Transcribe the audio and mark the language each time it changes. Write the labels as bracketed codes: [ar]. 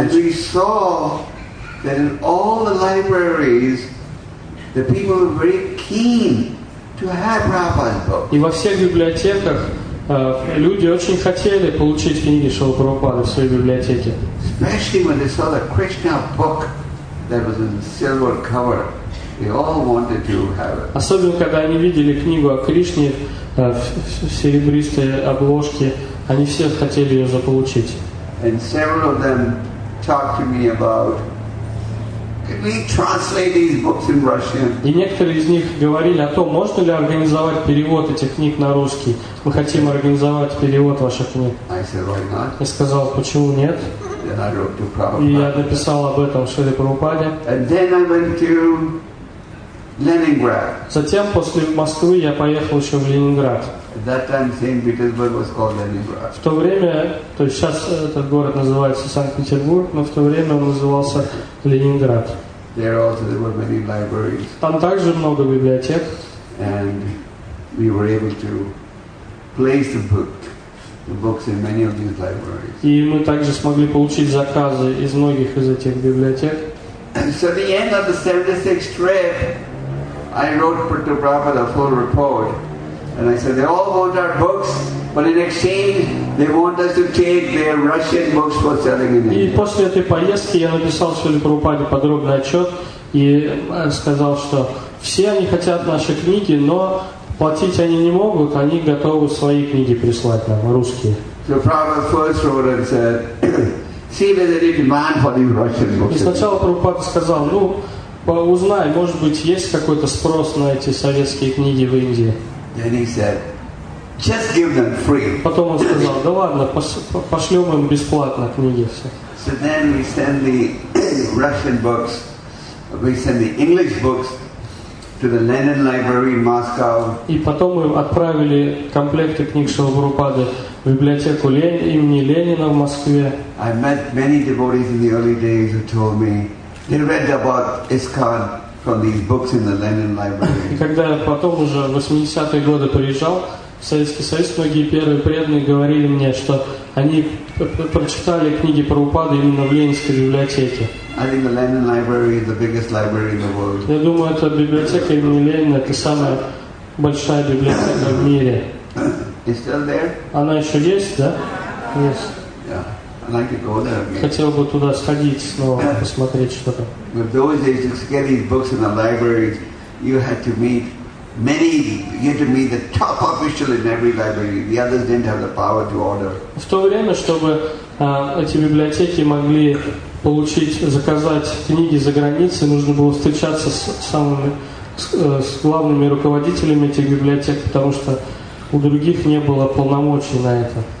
[en] And we saw that in all the libraries, the people were very keen to have Prabhupada's book. [ru] И во всех библиотеках Люди очень хотели получить книги Шрилы Прабхупады в своей библиотеке. [en] Especially when they saw the Krishna book that was in the silver cover. They all wanted to have it. [ru] Особенно когда они видели книгу о Кришне в серебристой обложке, они все хотели ее заполучить. [en] And several of them talked to me about, can we translate these books in Russian? [ru] И некоторые из них говорили о том, можно ли организовать перевод этих книг на русский. Мы хотим организовать перевод ваших книг. [en] I said, why not? [ru] Я сказал, почему нет? И я написал об этом Шриле Прабхупаде. [en] And then I went to Leningrad. [ru] Затем после Москвы я поехал еще в Ленинград. [en] At that time, Saint Petersburg was called Leningrad. [ru] В то время, то есть сейчас этот город называется Санкт-Петербург, но в то время он назывался Ленинград. [en] There also there were many libraries. [ru] Там также много библиотек. [en] And we were able to place the books in many of these libraries. [ru] И мы также смогли получить заказы из многих из этих библиотек. [en] And so at the end of the 76th trip, I wrote Prithu Prabhupada the full report. And I said, they all want our books, but in exchange, they want us to take their Russian books for selling in India. [ru] И после этой поездки я написал Шриле Прабхупаде подробный отчет и сказал, что все они хотят наши книги, но платить они не могут, они готовы свои книги прислать нам, русские. [en] So Prabhupada first wrote and said, see whether there is demand for these Russian books. [ru] И сначала Прабхупада сказал, ну, узнай, может быть, есть какой-то спрос на эти советские книги в Индии. [en] Then he said, just give them free. [ru] Потом он сказал, да ладно, пошлем им бесплатно книги все. [en] So then we send the Russian books, we send the English books to the Lenin Library in Moscow. [ru] И потом мы отправили комплекты книг Шрилы Прабхупады в библиотеку имени Ленина в Москве. [en] I met many devotees in the early days who told me, they read about ISKCON. From these books in the Lenin Library. [ru] И когда я потом уже в 80-е годы приезжал в Советский Союз, многие первые преданные говорили мне, что они прочитали книги Прабхупады именно в Ленинской библиотеке. [en] I think the Lenin Library is the biggest library in the world. [ru] Я думаю, эта библиотека имени Ленина это самая большая библиотека в мире. [en] Is still there? [ru] Она еще есть, да? [en] Yes. I'd like to go there again. [ru] Хотел бы туда сходить снова, посмотреть что-то. [en] But those days, to get these books in the libraries, you had to meet many. You had to meet the top official in every library. The others didn't have the power to order. [ru] В то время, чтобы эти библиотеки могли получить, заказать книги за границей, нужно было встречаться с главными руководителями этих библиотек, потому что у других не было полномочий на это.